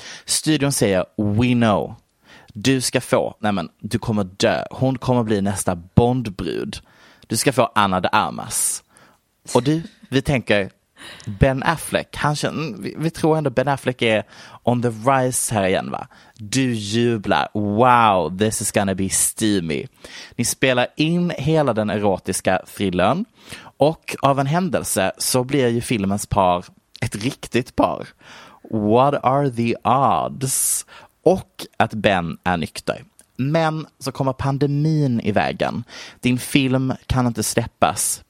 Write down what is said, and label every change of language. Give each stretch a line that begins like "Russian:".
Swedish: Studion säger
English: we know.
Swedish: Du ska få, nej men, du kommer dö. Hon kommer bli nästa Bondbrud. Du ska få Ana de Armas. Och du, vi tänker Ben Affleck. Han känner, vi tror ändå Ben Affleck är
English: on the rise
Swedish: här igen va? Du jublar.
English: Wow, this is gonna be steamy.
Swedish: Ni spelar in hela den erotiska thrillern. Och av en händelse så blir ju filmens par ett riktigt par.
English: What are the odds?
Swedish: Och att Ben är nykter. Men så kommer pandemin i vägen. Din film kan inte släppas.